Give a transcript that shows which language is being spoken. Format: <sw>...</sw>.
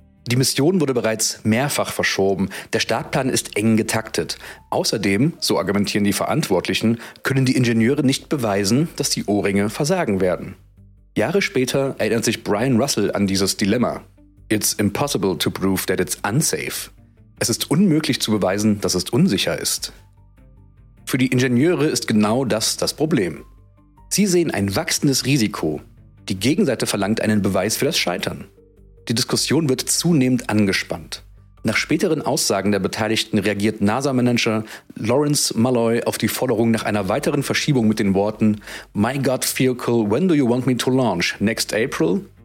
<de>Die Mission wurde bereits mehrfach verschoben. Der Startplan ist eng getaktet. Außerdem, so argumentieren die Verantwortlichen, können die Ingenieure nicht beweisen, dass die O-Ringe versagen werden. Jahre später erinnert sich Brian Russell an dieses Dilemma.</de> <en>It's impossible to prove that it's unsafe.</en> <de>Es ist unmöglich zu beweisen, dass es unsicher ist. Für die Ingenieure ist genau das das Problem. Sie sehen ein wachsendes Risiko. Die Gegenseite verlangt einen Beweis für das Scheitern. Die Diskussion wird zunehmend angespannt. Nach späteren Aussagen der Beteiligten reagiert NASA-Manager Lawrence Malloy auf die Forderung nach einer weiteren Verschiebung mit den Worten</de> <en>My God, Vehicle, when do you want me to launch? Next April?</en>